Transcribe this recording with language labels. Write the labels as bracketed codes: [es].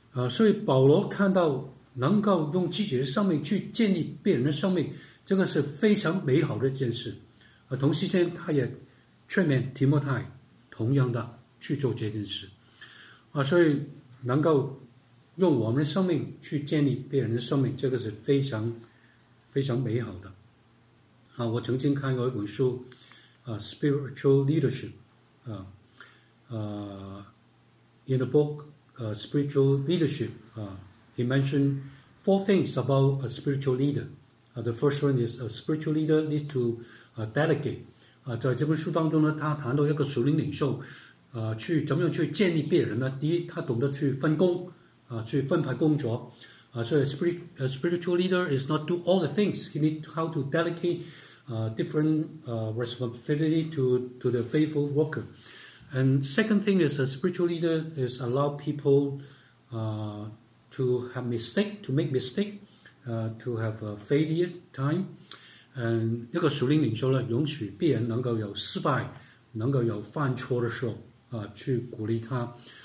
[zh] 所以保罗看到能够用自己的生命去建立别人的生命，这个是非常美好的一件事。而同时间他也劝勉提摩太同样的去做这件事啊，所以能够用我们的生命去建立别人的生命，这个是非常非常美好的啊。我曾经看过一本书啊， [en] 《Spiritual Leadership》啊，In the book Spiritual Leadership》啊 ，He mentioned four things about a spiritual leader。 The first one is a spiritual leader need to delegate。 [zh] 在这本书当中呢，他谈到一个属灵领袖去怎么样去建立别人呢？第一，他懂得去分工去分派工作所以 [en] spiritual leader is not do all the things. He need how to delegate different responsibility to the faithful worker. And second thing is a spiritual leader is allow people to have mistake, to make mistake, to have a failure time. And [zh] 一个属灵领袖呢，允许别人能够有失败，能够有犯错的时候去鼓励他。